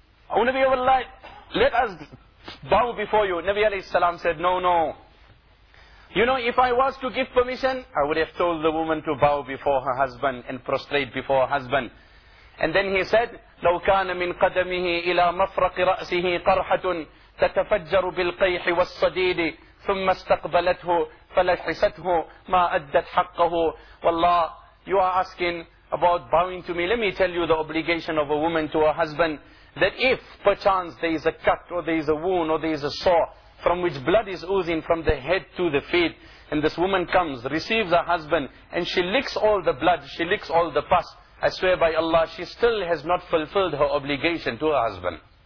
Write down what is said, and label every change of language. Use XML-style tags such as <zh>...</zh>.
<en>O Nabi of Allah, let us bow before you. Nabi alayhi salam said, no, no. You know, if I was to give permission, I would have told the woman to bow before her husband and prostrate before her husband. And then he said,</en> <ar>لو كان من قدمه إلى مفرق رأسه قرحة تتفجر بالقيح والصديد ثم استقبلته فلحسته ما أدت حقه.</ar> <en>والله, you are asking about bowing to me. Let me tell you the obligation of a woman to her husband. That if perchance there is a cut or there is a wound or there is a sore from which blood is oozing from the head to the feet, and this woman comes, receives her husband, and she licks all the blood, she licks all the pus, I swear by Allah, she still has not fulfilled her obligation to her husband.</en>